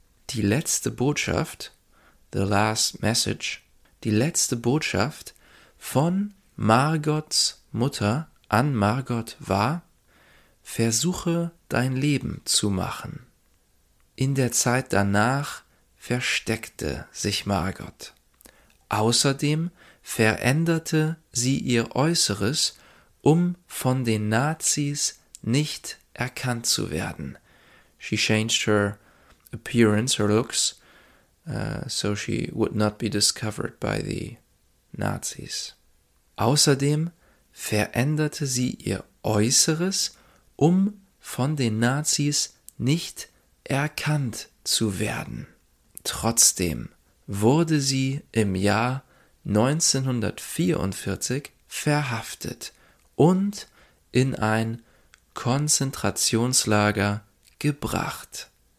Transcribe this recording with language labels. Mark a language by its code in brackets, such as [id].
[de] Die letzte Botschaft, [en] the last message, [de] die letzte Botschaft von Margots Mutter an Margot war: Versuche dein Leben zu machen. In der Zeit danach versteckte sich Margot. Außerdem veränderte sie ihr Äußeres, um von den Nazis nicht erkannt zu werden. [en] She changed her appearance, her looks, so she would not be discovered by the Nazis. [de] Außerdem veränderte sie ihr Äußeres, um von den Nazis nicht erkannt zu werden. Trotzdem wurde sie im Jahr 1944 verhaftet und in ein Konzentrationslager gebracht.